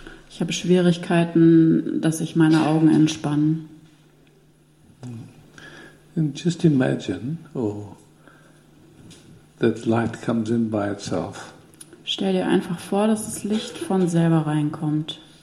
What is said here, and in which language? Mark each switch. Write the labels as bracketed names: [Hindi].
[German] Ich habe Schwierigkeiten, dass ich meine Augen entspanne. [English] And just imagine, oh, that light comes in by itself. [German] Stell dir einfach vor, dass das Licht von selber reinkommt.